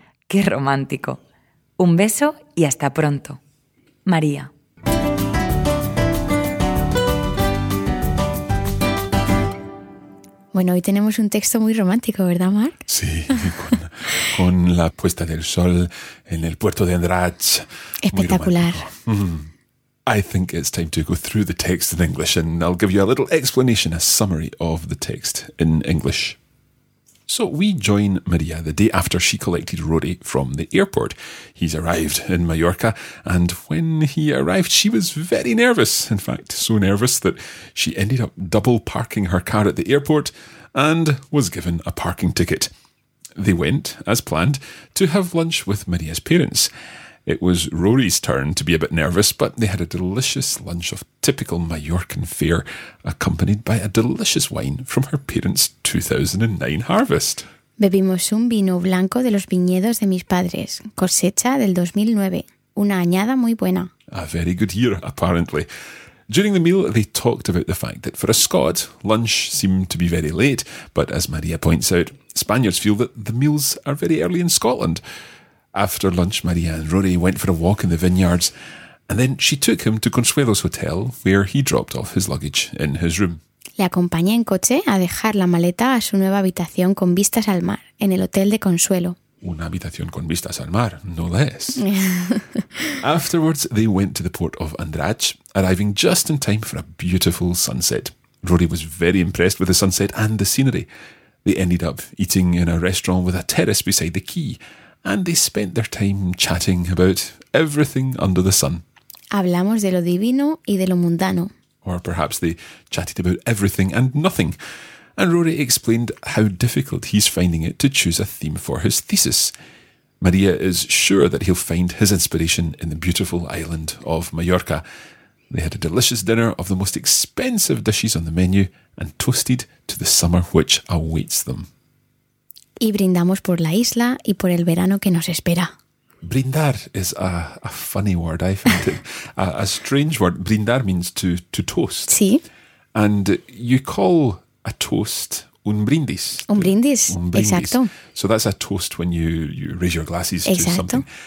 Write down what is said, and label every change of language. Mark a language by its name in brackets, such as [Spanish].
[Spanish] ¡Qué romántico! Un beso y hasta pronto. María. Bueno, hoy tenemos un texto muy romántico, ¿verdad, Marc? Sí, con la puesta del sol en el puerto de Andratx. Espectacular. [English] I think it's time to go through the text in English, and I'll give you a little explanation, a summary of the text in English. So we join Maria the day after she collected Rory from the airport. He's arrived in Mallorca, and when he arrived, she was very nervous. In fact, so nervous that she ended up double parking her car at the airport and was given a parking ticket. They went, as planned, to have lunch with Maria's parents. It was Rory's turn to be a bit nervous, but they had a delicious lunch of typical Mallorcan fare, accompanied by a delicious wine from her parents' 2009 harvest. [Spanish] Bebimos un vino blanco de los viñedos de mis padres, cosecha del 2009, una añada muy buena. [English] A very good year, apparently. During the meal, they talked about the fact that for a Scot, lunch seemed to be very late, but as Maria points out, Spaniards feel that the meals are very early in Scotland. After lunch, Maria and Rory went for a walk in the vineyards, and then she took him to Consuelo's hotel, where he dropped off his luggage in his room. [Spanish] Le acompañé en coche a dejar la maleta a su nueva habitación con vistas al mar, en el hotel de Consuelo. Una habitación con vistas al mar, [English] no less. Afterwards, they went to the port of Andratx, arriving just in time for a beautiful sunset. Rory was very impressed with the sunset and the scenery. They ended up eating in a restaurant with a terrace beside the quay, and they spent their time chatting about everything under the sun. [Spanish] Hablamos de lo divino y de lo mundano. [English] Or perhaps they chatted about everything and nothing. And Rory explained how difficult he's finding it to choose a theme for his thesis. Maria is sure that he'll find his inspiration in the beautiful island of Mallorca. They had a delicious dinner of the most expensive dishes on the menu and toasted to the summer which awaits them. [Spanish] Y brindamos por la isla y por el verano que nos espera. [English] Brindar is a funny word, I find it. a strange word. Brindar means to toast. [Spanish] Sí. [English] And you call a toast [Spanish] un brindis. Un brindis, exacto. [English] So that's a toast when you raise your glasses to something.